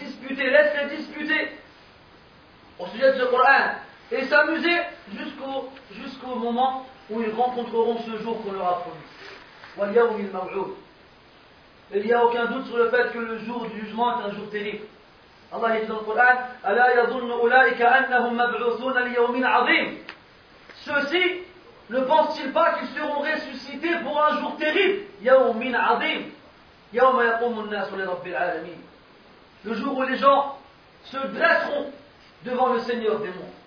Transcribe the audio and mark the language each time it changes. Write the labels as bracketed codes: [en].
[fr] Laisse-les disputer au sujet de ce Coran et s'amuser jusqu'au moment où ils rencontreront ce jour qu'on leur a promis. [ar] وَالْيَوْمِ الْمَوْعُودِ. [fr] Il n'y a aucun doute sur le fait que le jour du jugement est un jour terrible. Allah dit dans le Coran, [ar] أَلَا يَظُنُّ أُولَٰئِكَ أَنَّهُمْ مَبْعُوثُونَ لِيَوْمِ الْعَظِيمِ. [fr] Ceux-ci ne pensent-ils pas qu'ils seront ressuscités pour un jour terrible? [ar] Yawmin azim. Yawma yaqumu an-nas li rabbil alamin. [fr] Le jour où les gens se dresseront devant le Seigneur des mondes.